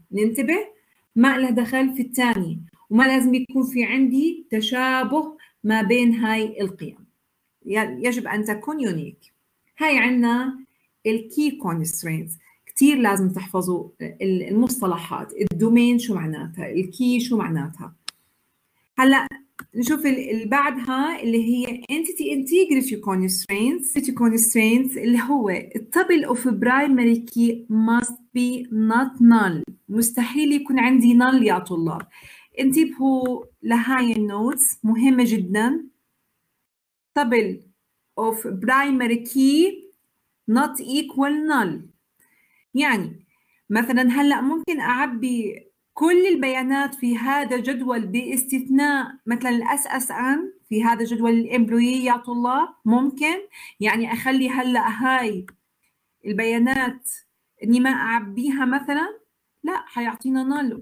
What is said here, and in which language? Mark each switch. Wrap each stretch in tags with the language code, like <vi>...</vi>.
<ar>ننتبه، ما لها دخل في الثاني، وما لازم يكون في عندي تشابه ما بين هاي القيم، يجب أن تكون يونيك. هاي عنا الكي كونسترينتس. كتير لازم تحفظوا المصطلحات، الدومين شو معناتها، الكي شو معناتها. هلأ نشوف اللي بعدها اللي هي entity integrity constraints.</ar> <en>entity constraints اللي هو tuple of primary key must be not null،</en> <ar>مستحيل يكون عندي null يا طلاب. انتبهوا لهاي النوتس، مهمة جدا.</ar> <en>tuple of primary key not equal null.</en> <ar>يعني مثلا هلأ ممكن أعبي كل البيانات في هذا جدول باستثناء مثلا الاس اس ان في هذا جدول الامبلوي يا طلاب، ممكن يعني اخلي هلا هاي البيانات اني ما اعبيها مثلا، لا، حيعطينا نال.</ar>